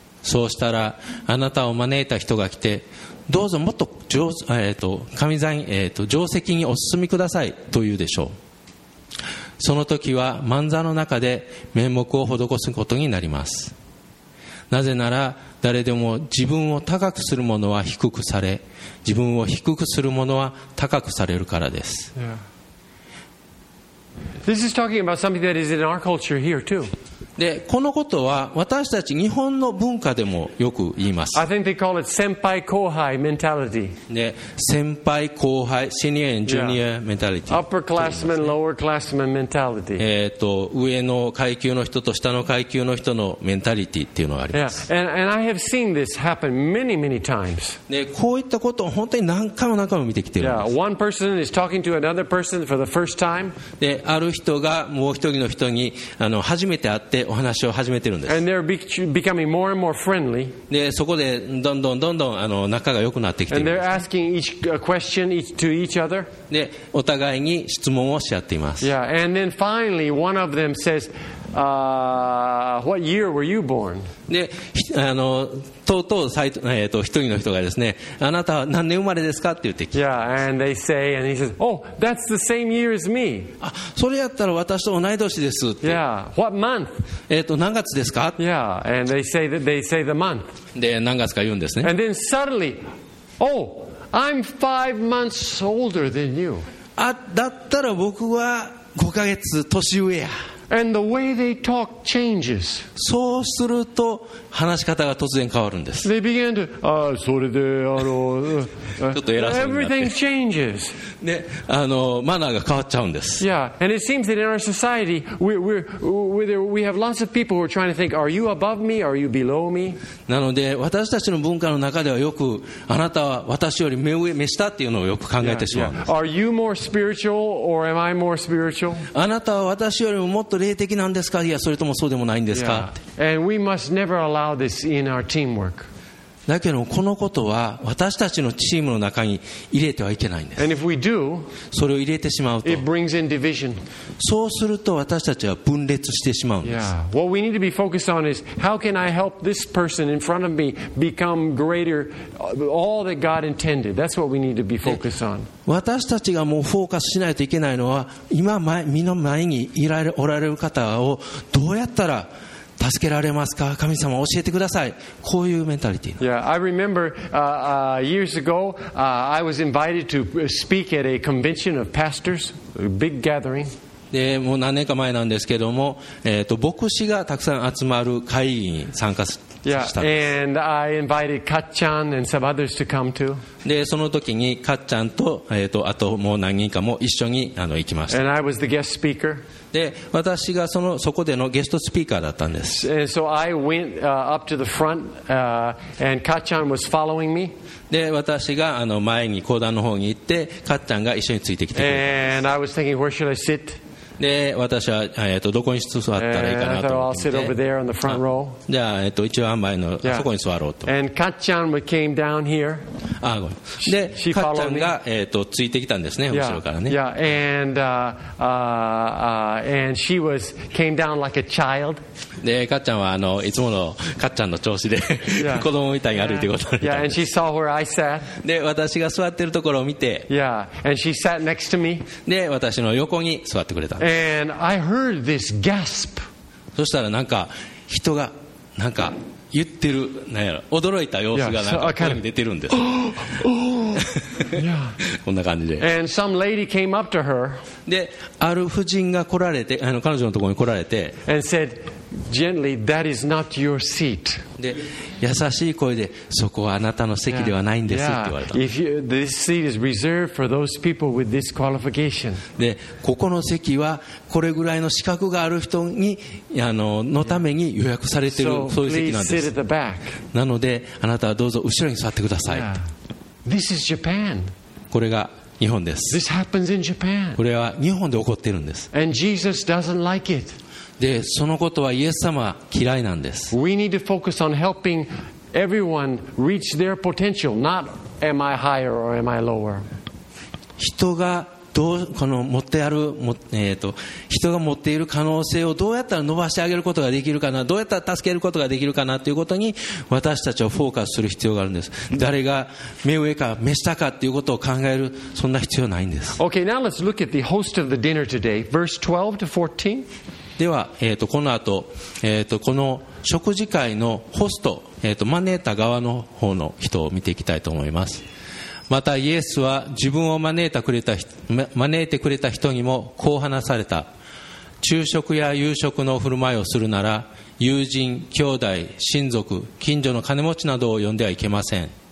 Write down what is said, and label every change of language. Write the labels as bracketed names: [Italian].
[Japanese] そうしたらあなたを招いた人が来て、どうぞもっと上座に、上席にお進みくださいと言うでしょう。その時は満座の中で面目を施すことになります。なぜなら誰でも自分を高くする者は低くされ、自分を低くする者は高くされるからです。 [English] This is talking about something that is in our culture here too. [Japanese] で、このことは私たち日本の文化でもよく言います。 [English] I think they call it 先輩後輩 mentality. で、先輩後輩 senior and junior mentality. Upper classman, lower classman mentality. [Japanese] 上の階級の人と下の階級の人のメンタリティっていうのがあります。 [English] Yeah. And I have seen this happen many, many times. [Japanese] で、こういったことを本当に何回も何回も見てきています。 [English] Yeah. One person is talking to another person for the first time. [Japanese] で、ある人がもう一人の人に初めて会ってお話を始めてるんです。 [English] And they're becoming more and more friendly. [Japanese] で、そこでどんどんどんどん仲が良くなってきています [English] And they're asking each question to each other. [Japanese] で、お互いに質問をし合っています。 [English] Yeah. And then finally, one of them says, what year were you born? [Japanese] で、一人の人がですね、あなたは何年生まれですかって言ってきて。 [English] Yeah, and they say, and he says, oh, that's the same year as me. [Japanese] あ、それやったら私と同い年ですって。 [English] Yeah, what month? [Japanese] 何月ですか? [English] Yeah, and they say the month. [Japanese] で、何月か言うんですね。 [English] And then suddenly, oh, I'm 5 months older than you. [Japanese] あ、だったら僕は5ヶ月年上や。 [English] And the way they talk changes. [Japanese] そうすると話し方が突然変わるんです。 [English] They began to, それで [Japanese] ちょっと偉そうになって。 [English] Everything changes. [Japanese] ね、マナーが変わっちゃうんです。 [English] Yeah, and it seems that in our society, we have lots of people who are trying to think, are you above me? Are you below me? [Japanese] なので私たちの文化の中ではよくあなたは私より目上目下っていうのをよく考えてしまうんです。 [English] Yeah, yeah. Are you more spiritual or am I more spiritual? [Japanese] あなたは私よりももっと霊的なんですか、いやそれともそうでもないんですか。 [English] And we must never allow this in our teamwork. [Japanese] だけどこのことは私たちのチームの中に入れてはいけないんです。 [English] And if we do, [Japanese] それを入れてしまうと [English] it brings in division. [Japanese] そうすると私たちは分裂してしまうんです。 [English] Yeah. What we need to be focused on is how can I help this person in front of me become greater all that God intended. That's what we need to be focused on. [Japanese] 私たちがもうフォーカスしないといけないのは今身の前にいられおられる方をどうやったら助けられますか、神様教えてください、こういうメンタリティ。 [English] Yeah, I remember years ago I was invited to speak at a convention of pastors, a big gathering. [Japanese] でもう何年か前なんですけども、牧師がたくさん集まる会議に参加したんです。 [English] Yeah, and I invited Kat-chan and some others to come too. [Japanese] でその時にかっちゃんと、あともう何人かも一緒に行きました。 [English] And I was the guest speaker. [Japanese] で私がそこでのゲストスピーカーだったんです。 [English] And so I went up to the front, and Kat-chan was following me. [Japanese] で私が前に講談の方に行ってかっちゃんが一緒についてきてくれました。 [English] And I was thinking, where should I sit? [Japanese] で私は、どこに座ったらいいかなと思って、 [English] And I thought, I'll sit over there on the front row. [Japanese] じゃあ、一番前のそこに座ろうと。 [English] And Kat-chan came down here. [Japanese] でかっちゃんが、ついてきたんですね、後ろからね。 [English] Yeah. And she was came down like a child. [Japanese] でかっちゃんはいつものかっちゃんの調子で子供みたいに歩いてことに。 [English] Yeah. And she saw where I sat. [Japanese] で私が座ってるところを見て。 [English] Yeah. And she sat next to me. [Japanese] で私の横に座ってくれた。 [English] And I heard this gasp. [Japanese] そしたらなんか人がなんか言ってる、なんやろ、驚いた様子がなんか声に出てるんです。こんな感じで。 [English] And some lady came up to her. [Japanese] で、ある婦人が来られて、彼女のところに来られて、 [English] And said, gently, that is not your seat. [Japanese] で、優しい声で、そこはあなたの席ではないんですって言われた。 [English] Yeah. If you, this seat is reserved for those people with this qualification. [Japanese] で、ここの席はこれぐらいの資格がある人にのために予約されている、 [English] yeah. [Japanese] そういう席なんです。 [English] So, please sit at the back. [Japanese] なのであなたはどうぞ後ろに座ってください。 [English] Yeah. This is Japan. [Japanese] これが日本です。 [English] This happens in Japan. [Japanese] これは日本で起こっているんです。 [English] And Jesus doesn't like it. [Japanese] で、そのことはイエス様は嫌いなんです。 [English] We need to focus on helping everyone reach their potential, not am I higher or am I lower. [Japanese] 人がどうこの持ってある、人が持っている可能性をどうやったら伸ばしてあげることができるかな、どうやったら助けることができるかなということに私たちをフォーカスする必要があるんです。誰が目上か目下かということを考えるそんな必要ないんです。 [English] Okay, now let's look at the host of the dinner today, verse 12 to 14. [Japanese] では、この後、この食事会のホスト、招いた側の方の人を見ていきたいと思います。またイエスは自分を招いてくれた人にもこう話された。昼食や夕食の振る舞いをするなら友人、兄弟、親族、近所の金持ちなどを呼んではいけません。